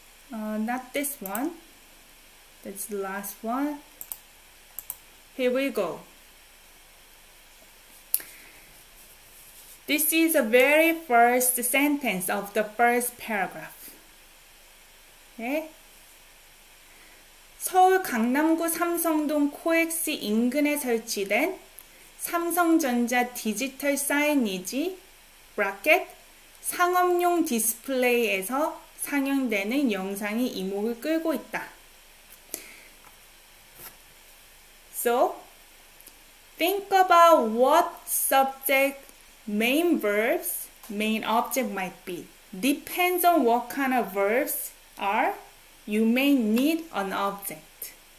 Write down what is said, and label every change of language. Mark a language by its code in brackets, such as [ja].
[en] Not this one. That's the last one. Here we go. This is the very first sentence of the first paragraph. Okay? [ko] 서울 강남구 삼성동 코엑스 인근에 설치된 삼성전자 디지털 사이니지 브라켓 상업용 디스플레이에서 상영되는 영상이 이목을 끌고 있다. [en] So, think about what subject main verbs, main object might be. Depends on what kind of verbs are, you may need an object.